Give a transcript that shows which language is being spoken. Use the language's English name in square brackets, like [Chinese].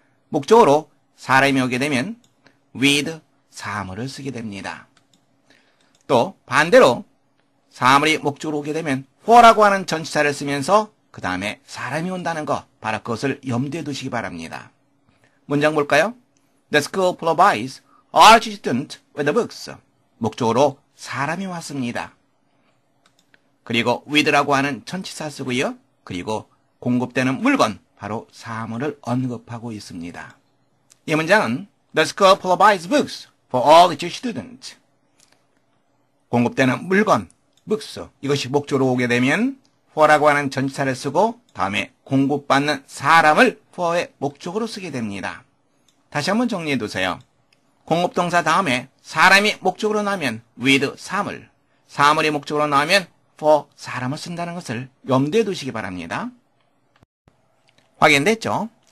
[Korean] 목적으로 사람이 오게 되면 with 사물을 쓰게 됩니다. 또 반대로 사물이 목적으로 오게 되면 for라고 하는 전치사를 쓰면서 그 다음에 사람이 온다는 것, 바로 그것을 염두에 두시기 바랍니다. 문장 볼까요? [English] The school provides Arch student with the books. [Korean] 목적으로 사람이 왔습니다. 그리고 with라고 하는 전치사 쓰고요. 그리고 공급되는 물건, 바로 사물을 언급하고 있습니다. 이 문장은 [English] The school provides books for all its students. [Korean] 공급되는 물건, books. 이것이 목적으로 오게 되면 for라고 하는 전치사를 쓰고 다음에 공급받는 사람을 for의 목적으로 쓰게 됩니다. 다시 한번 정리해 두세요. 공급동사 다음에 사람이 목적으로 나오면 with 사물, 사물이 목적으로 나오면 for 사람을 쓴다는 것을 염두에 두시기 바랍니다. 확인됐죠?